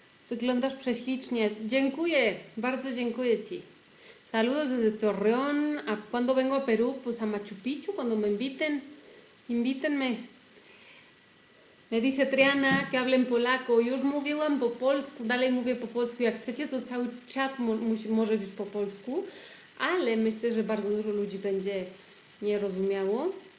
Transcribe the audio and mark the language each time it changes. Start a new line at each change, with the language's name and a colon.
Polish: Wyglądasz prześlicznie. Dziękuję, bardzo dziękuję ci.
Spanish: Saludos desde Torreón. ¿A cuándo vengo a Perú? Pues a Machu Picchu, cuando me inviten. Invítenme. Me dice Triana que hable en polaco.
Polish: Już mówiłam po polsku, dalej mówię po polsku. Jak chcecie, to cały chat może być po polsku, ale myślę, że bardzo dużo ludzi będzie nie rozumiało.